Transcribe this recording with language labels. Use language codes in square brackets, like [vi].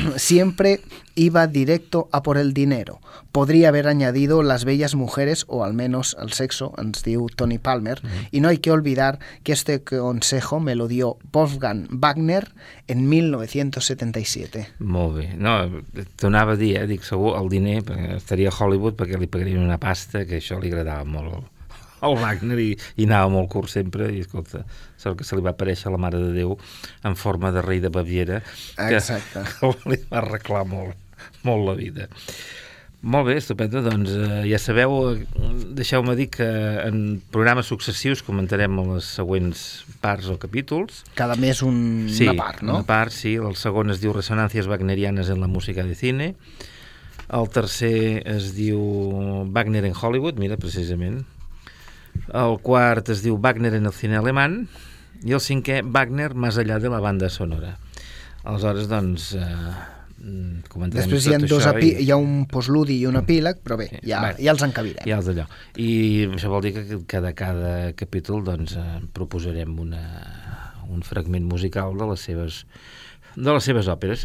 [es] Siempre iba directo a por el dinero. Podría haber añadido las bellas mujeres, o al menos el sexo, [ca] ens diu [es] Tony Palmer, y no hay que olvidar que este consejo me lo dio Wolfgang Wagner en 1977. [ca] Molt bé. No, t'ho anava a dir, dic, segur, el diner estaria a Hollywood perquè li pagarien una pasta, que això li agradava molt al Wagner, i anava molt curt sempre, i escolta, sort que se li va aparèixer la Mare de Déu en forma de rei de Baviera, que exacte, li va arreglar molt la vida. Molt bé, estupendo, doncs ja sabeu, deixeu-me dir que en programes successius comentarem les següents parts o capítols. Cada mes sí, una part, no? Sí, una part, sí. El segon es diu Resonàncies wagnerianes en la música de cine. El tercer es diu Wagner en Hollywood, mira, precisament. El quart es diu Wagner en el cine alemany. I el cinquè, Wagner més allà de la banda sonora. Aleshores, doncs... comentarem. Després hi ha hi ha un postludi i un epíleg, però bé, ja els encabirem. Ja els d'allò. I això vol dir que cada capítol doncs, proposarem un fragment musical de les seves òperes.